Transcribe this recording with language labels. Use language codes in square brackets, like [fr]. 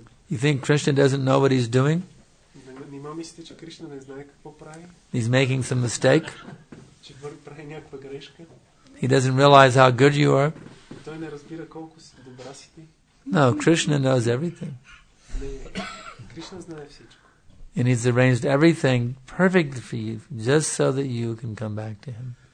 [en] You think Krishna doesn't know what he's doing? [bg] Нима мислите, че Кришна не знае какво прави? [en] He's making some mistake. [bg] Че прави някаква грешка. [en] He doesn't realize how good you are. [bg] Той не разбира колко си добра си ти. [en] No, Krishna knows everything. [bg] Кришна знае всичко. [en] And he's arranged everything perfectly for you, just so that you can come back to him.